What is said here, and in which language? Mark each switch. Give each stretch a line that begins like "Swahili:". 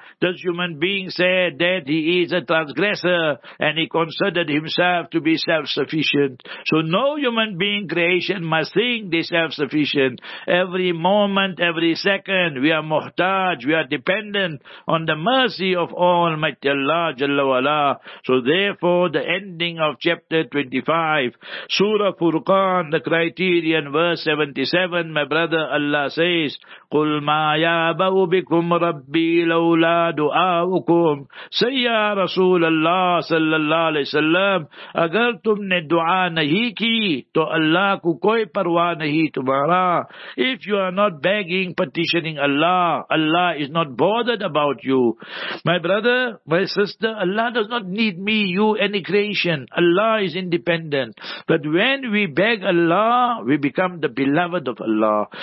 English: This human being said that he is a transgressor and he considered himself to be self-sufficient. So no human being creation must think they're self-sufficient. Every moment, every second, we are muhtaj, we are dependent on the mercy of Almighty Allah Jalla Wala. So therefore, the ending of chapter 25, Surah Furqan, the criterion, verse 77, my brother Allah says,
Arabic: قُلْ مَا يَعْبَأُ بِكُمْ رَبِّي لَوْلَا دُعَاؤُكُمْ سَيَّا رَسُولَ اللَّهِ صَلَّى اللَّهِ عَلَيْهِ وَسَلَّمْ
Urdu: اگر تم نے دعا نہیں کی تو اللہ کو کوئی پرواہ نہیں تمہارا.
English: If you are not begging, petitioning Allah, Allah is not bothered about you. My brother, my sister, Allah does not need me, you, any creation. Allah is independent. But when we beg Allah, we become the beloved of Allah.